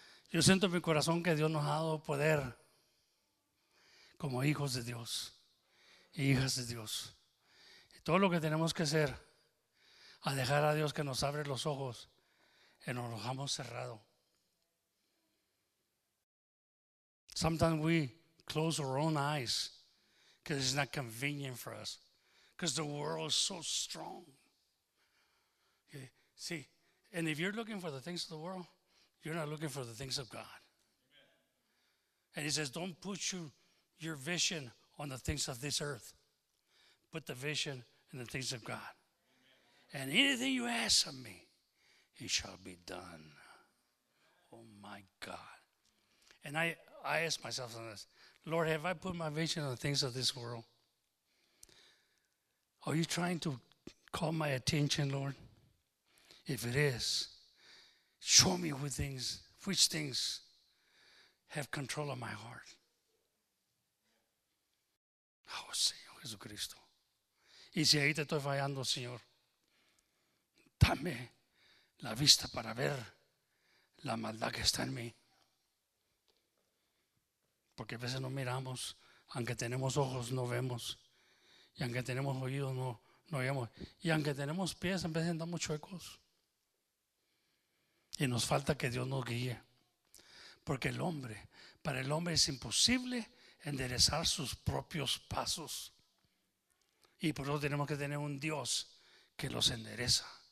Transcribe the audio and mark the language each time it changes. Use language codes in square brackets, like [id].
[es] Yo siento en mi corazón que Dios nos ha dado poder como hijos de Dios e hijas de Dios. Y todo lo que tenemos que hacer a dejar a Dios que nos abre los ojos y nos los hemos cerrado. [en] Sometimes we close our own eyes. Because it's not convenient for us. Because the world is so strong. Okay. See, and if you're looking for the things of the world, you're not looking for the things of God. Amen. And he says, don't put your vision on the things of this earth. Put the vision in the things of God. Amen. And anything you ask of me, it shall be done. Oh my God. And I ask myself on this. Lord, have I put my vision on the things of this world? Are you trying to call my attention, Lord? If it is, show me which things have control of my heart. [es] Oh, Señor Jesucristo. Y si ahí te estoy fallando, Señor, dame la vista para ver la maldad que está en mí. Porque a veces no miramos, aunque tenemos ojos no vemos, y aunque tenemos oídos no oímos, y aunque tenemos pies a veces andamos chuecos, y nos falta que Dios nos guíe, porque para el hombre es imposible enderezar sus propios pasos, y por eso tenemos que tener un Dios que los endereza.